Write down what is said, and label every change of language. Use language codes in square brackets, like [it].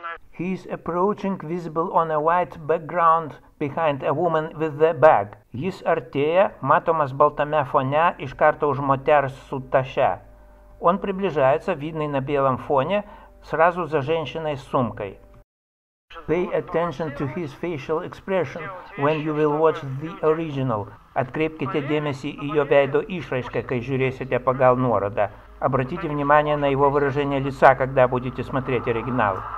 [en] He is approaching visible on a white background behind a woman with the bag. [lt] Jis artėja, matomas baltame fone, iš karto už moters su taše. [ru] Он приближается, видный на белом фоне, сразу за женщиной с сумкой. [en] Pay attention to his facial expression when you will watch the original. [lt] Atkreipkite dėmesį į jo veido išraišką, kai žiūrėsite pagal nuorodą. [ru] Обратите внимание на его выражение лица, когда будете смотреть оригинал.